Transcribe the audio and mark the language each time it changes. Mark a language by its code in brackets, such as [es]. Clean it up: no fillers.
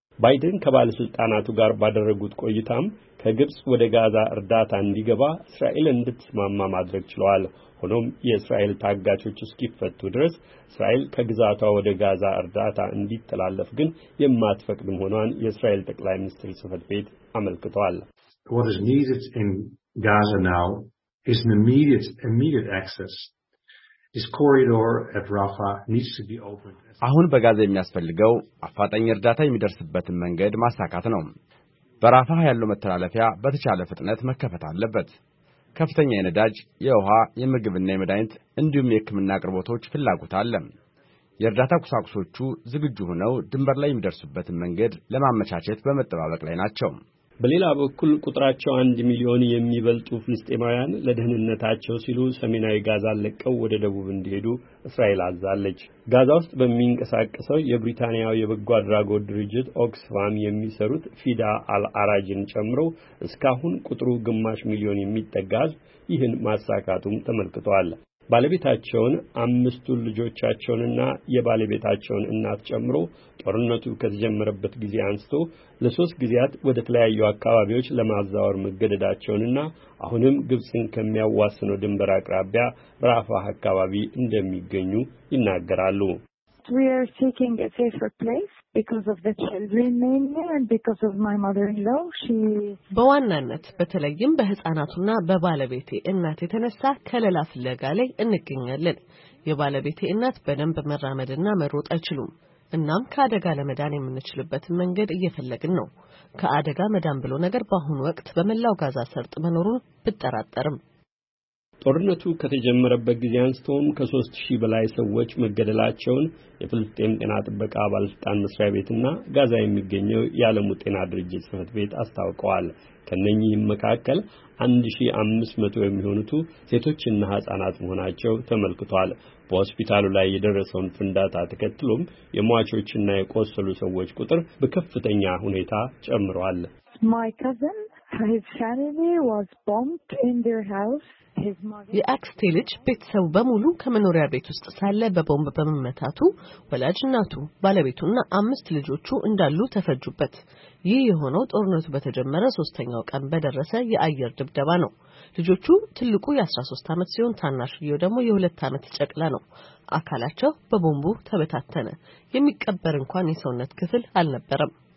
[am] ባይደን ከባለስልጣናቱ ጋር ባደረጉት ቆይታም ከግብጽ ወደ ጋዛ እርዳታ እንዲገባ እስራኤል እንድትስማማ ማድረግ ችለዋል። ሆኖም የእስራኤል ታጋቾች እስኪፈቱ ድረስ እስራኤል ከግዛቷ ወደ ጋዛ እርዳታ እንዲተላለፍ ግን የማትፈቅድም ሆኗን የእስራኤል ጠቅላይ ሚኒስትር ጽህፈት ቤት አመልክቷል። [en] What is needed in Gaza now is an immediate access. This corridor at Rafah needs to be opened. [am] አሁን በጋዛ የሚያስፈልገው አፋጣኝ እርዳታ የሚደርስበት መንገድ ማሳካት ነው። በራፋ ያለው መተላለፊያ በተቻለ ፍጥነት መከፈት አለበት። ከፍተኛ የነዳጅ፣ የውሃ፣ የምግብና የመድኃኒት እንዲሁም የሕክምና አቅርቦቶች ፍላጎት አለ። የእርዳታ ቁሳቁሶቹ ዝግጁ ሆነው ድንበር ላይ የሚደርሱበት መንገድ ለማመቻቸት በመጠባበቅ ላይ ናቸው። በሌላ በኩል ቁጥራቸው 1 ሚሊዮን የሚበልጡ ፍልስጤማውያን ለደህንነታቸው ሲሉ ሰሜናዊ ጋዛን ለቀው ወደ ደቡብ እንዲሄዱ እስራኤል አዛለች። ጋዛ ውስጥ በሚንቀሳቀሰው የብሪታንያው የበጎ አድራጎት ድርጅት ኦክስፋም የሚሰሩት ፊዳ አልአራጅን ጨምሮ እስካሁን ቁጥሩ ግማሽ ሚሊዮን የሚጠጋዝ ይህን ማሳካቱም ተመልክቷል። ባለቤታቸውን አምስቱ ልጆቻቸውንና የባለቤታቸውን እናት ጨምሮ ጦርነቱ ከተጀመረበት ጊዜ አንስቶ ለሶስት ጊዜያት ወደ ተለያዩ አካባቢዎች ለማዛወር መገደዳቸውንና አሁንም ግብጽን ከሚያዋስነው ድንበር አቅራቢያ ራፋ አካባቢ እንደሚገኙ ይናገራሉ። [en] We are seeking a safer place because of the children mainly and because of my mother-in-law. [am] በዋናነት በተለይም በህፃናቱና በባለቤቴ እናት የተነሳ ከለላ ፍለጋ ላይ እንገኛለን። የባለቤቴ እናት በደንብ መራመድና መሮጥ አይችልም። እናም ከአደጋ ለመዳን የምንችልበት መንገድ እየፈለግን ነው። ከአደጋ መዳን ብሎ ነገር በአሁን ወቅት በመላው ጋዛ ሰርጥ መኖሩን ብጠራጠርም። ጦርነቱ ከተጀመረበት ጊዜ አንስቶም ከ3000 በላይ ሰዎች መገደላቸውን የፍልስጤም ጤና ጥበቃ ባለስልጣን መስሪያ ቤትና ጋዛ የሚገኘው የዓለም ጤና ድርጅት ጽህፈት ቤት አስታውቀዋል። ከነኚህ መካከል 1500 የሚሆኑት ሴቶችና ህጻናት መሆናቸው ተመልክቷል። በሆስፒታሉ ላይ የደረሰውን ፍንዳታ ተከትሎም የሟቾችና የቆሰሉ ሰዎች ቁጥር በከፍተኛ ሁኔታ ጨምሯል። [en] My cousin, his family was bombed in their house. [am] የአክስቴ ልጅ ቤተሰቡ በሙሉ ከመኖሪያ ቤት ውስጥ ሳለ በቦምብ በመመታቱ ወላጅ እናቱ፣ ባለቤቱና አምስት ልጆቹ እንዳሉ ተፈጁበት። ይህ የሆነው ጦርነቱ በተጀመረ 3ኛው ቀን በደረሰ የአየር ድብደባ ነው። ልጆቹ ትልቁ የ13 አመት ሲሆን ታናሽየው ደግሞ የ2 አመት ጨቅላ ነው። አካላቸው በቦምቡ ተበታተነ። የሚቀበር እንኳን የሰውነት ክፍል አልነበረም።